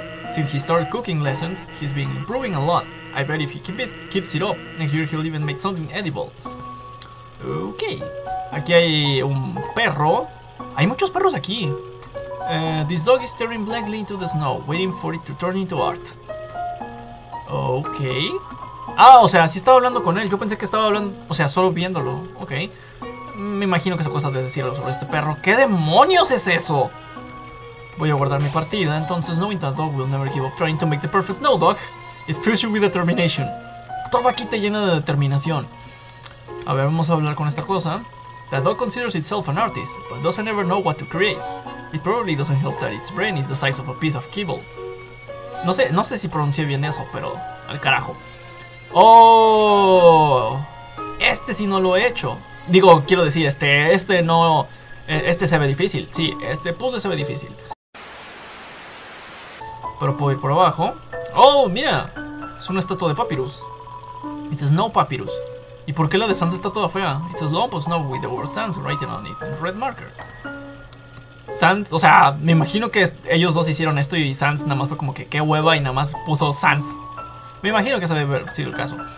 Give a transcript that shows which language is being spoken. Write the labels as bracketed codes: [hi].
[en] Since he started cooking lessons, he's been improving a lot. I bet if he keeps it up, next year he'll even make something edible. [es] Ok. Aquí hay un perro. Hay muchos perros aquí. [en] This dog is staring blankly into the snow, waiting for it to turn into art. Ok. [es] Ah, o sea, sí estaba hablando con él. Yo pensé que estaba hablando, o sea, solo viéndolo. Ok. Me imagino que esa cosa de decirlo sobre este perro. ¿Qué demonios es eso? Voy a guardar mi partida. [en] Entonces, knowing that dog will never give up trying to make the perfect snow dog, it fills you with determination. [es] Todo aquí te llena de determinación. A ver, vamos a hablar con esta cosa. [en] The dog considers itself an artist, but doesn't ever know what to create. It probably doesn't help that its brain is the size of a piece of kibble. [es] No sé si pronuncié bien eso, pero al carajo. ¡Oh! Este sí no lo he hecho. Digo, quiero decir, este no... Este se ve difícil. Sí, este puzzle se ve difícil. Pero puedo ir por abajo. ¡Oh, mira! Es una estatua de Papyrus. [en] It's a snow Papyrus. [es] ¿Y por qué la de Sans está toda fea? [en] It's a slump of snow with the word Sans written on it in red marker. [es] Sans, o sea, me imagino que ellos dos hicieron esto y Sans nada más fue como que qué hueva y nada más puso Sans. Me imagino que ese debe haber sido el caso.